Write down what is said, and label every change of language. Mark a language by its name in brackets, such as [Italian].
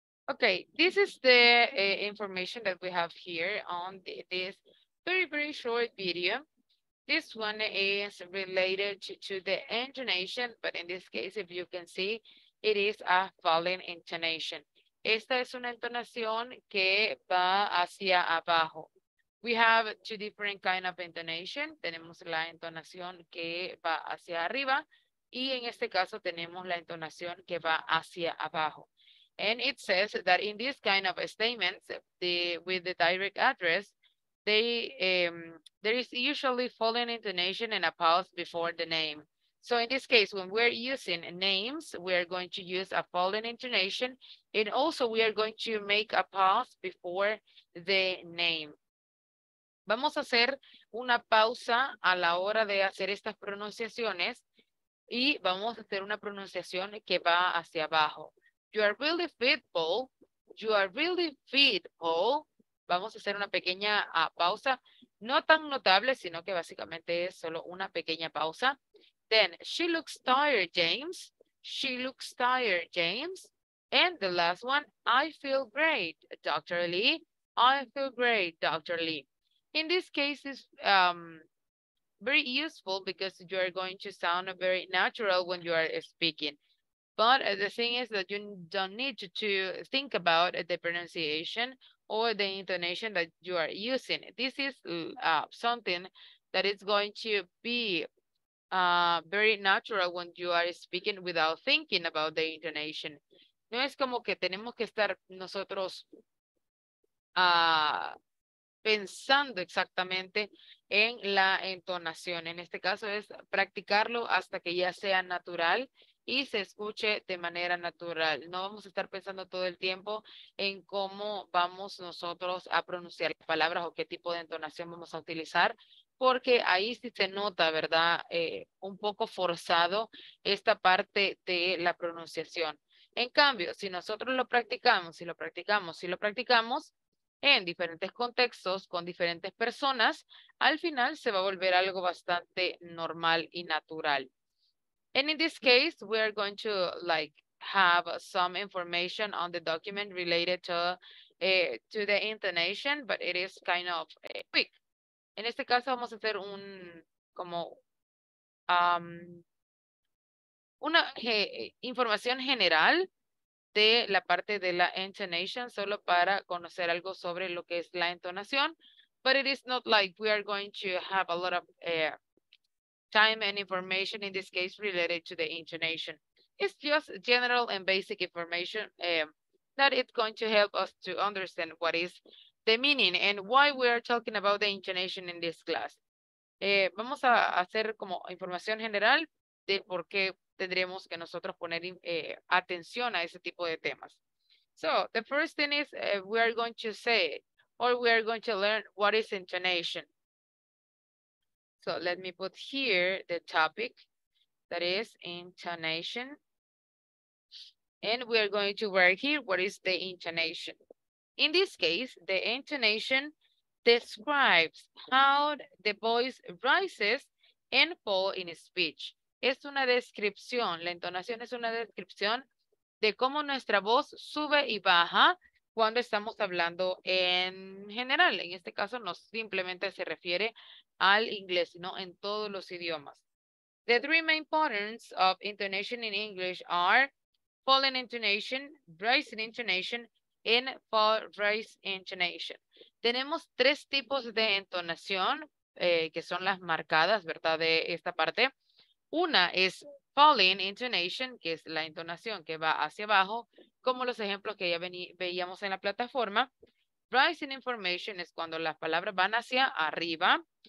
[English] Okay, this is the information that we have here on this very, very short video. This one is related to the intonation, but in this case, if you can see, it is a falling intonation. [Spanish] Esta es una entonación que va hacia abajo. [English] We have two different kinds of intonation. [Spanish] Tenemos la entonación que va hacia arriba, y en este caso tenemos la entonación que va hacia abajo. [English] And it says that in this kind of statements, with the direct address, there is usually falling intonation and a pause before the name. So in this case, when we're using names, we're going to use a falling intonation, and also we are going to make a pause before the name. [Spanish] Vamos a hacer una pausa a la hora de hacer estas pronunciaciones y vamos a hacer una pronunciación que va hacia abajo. [English] You are really fit, Paul. You are really fit, Paul. [Spanish] Vamos a hacer una pequeña pausa, no tan notable, sino que básicamente es solo una pequeña pausa. [English] Then, she looks tired, James. She looks tired, James. And the last one, I feel great, Dr. Lee. I feel great, Dr. Lee. In this case, it's very useful because you are going to sound very natural when you are speaking. But the thing is that you don't need to think about the pronunciation or the intonation that you are using. This is something that is going to be very natural when you are speaking without thinking about the intonation. [Spanish] No es como que tenemos que estar nosotros pensando exactamente en la entonación. En este caso es practicarlo hasta que ya sea natural y se escuche de manera natural. No vamos a estar pensando todo el tiempo en cómo vamos nosotros a pronunciar las palabras o qué tipo de entonación vamos a utilizar, porque ahí sí se nota, ¿verdad? Un poco forzado esta parte de la pronunciación. En cambio, si nosotros lo practicamos, si lo practicamos, si lo practicamos en diferentes contextos, con diferentes personas, al final se va a volver algo bastante normal y natural. [English] And in this case, we are going to like have some information on the document related to the intonation, but it is kind of quick. [Spanish] En este caso, vamos a hacer un como una información general de la parte de la intonation, solo para conocer algo sobre lo que es la entonación. [English] But it is not like we are going to have a lot of time and information in this case related to the intonation. It's just general and basic information that it's going to help us to understand what is the meaning and why we are talking about the intonation in this class. [Spanish] Vamos a hacer como información general de por qué tendríamos que nosotros poner atención a ese tipo de temas. [English] So the first thing is we are going to say or we are going to learn what is intonation. So let me put here the topic that is intonation. And we are going to work here, what is the intonation? In this case, the intonation describes how the voice rises and falls in speech. [Spanish] Es una descripción, la entonación es una descripción de cómo nuestra voz sube y baja cuando estamos hablando en general. En este caso, no simplemente se refiere al inglés, sino en todos los idiomas. [English] The three main patterns of intonation in English are falling intonation, rising intonation, and fall-rise intonation. [Spanish] Tenemos tres tipos de entonación que son las marcadas, ¿verdad? De esta parte. Una es falling intonation, que es la entonación que va hacia abajo, como los ejemplos que ya veíamos en la plataforma. Rising intonation es cuando las palabras van hacia arriba.